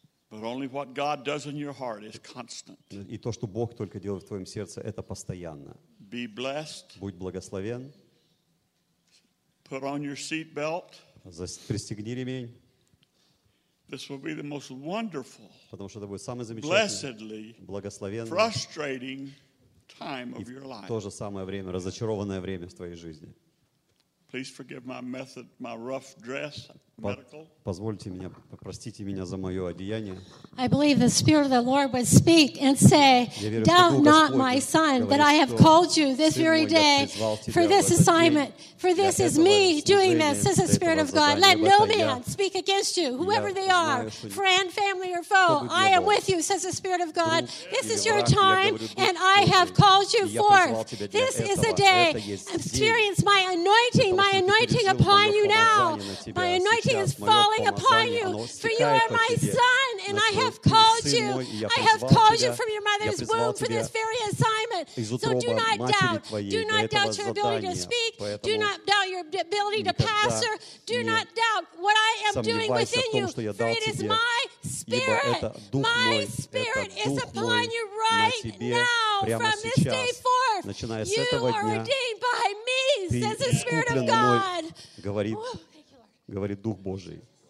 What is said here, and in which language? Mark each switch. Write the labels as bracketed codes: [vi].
[en] But only what God does in your heart is constant. [ru] И то, что Бог только делает в твоем сердце, это постоянно. [en] Be blessed. [ru] Будь благословен. [en] Put on your seat belt. [ru] Пристегни ремень. [en] This will be the most wonderful. [ru] Потому что это будет самое замечательное. Благословенное. [en] Frustrating time of your life. [ru] То же самое время, разочарованное время в твоей жизни. [en] Please forgive my method, my rough dress, medical. [ru] Позвольте меня, простите меня за мое одеяние. [en] I believe the Spirit of the Lord would speak and say, doubt not, my son, that I have called you this very day for this assignment. For this is me doing this. This is the Spirit of God. Let no man speak against you, whoever they are, friend, family, or foe. I am with you, says the Spirit of God. This is your time, and I have called you forth. This is the day. Experience my anointing. My anointing upon you now. My anointing is falling upon you. For you are my son, and I have called you. I have called you from your mother's womb for this very assignment. So do not doubt. Do not doubt your ability to speak. Do not doubt your ability to pastor. Do not doubt what I am doing within you. For it is my spirit. My spirit is upon you right now from this day forth. You are redeemed by me. [ru] Ты искуплен мной, говорит, говорит Дух Божий.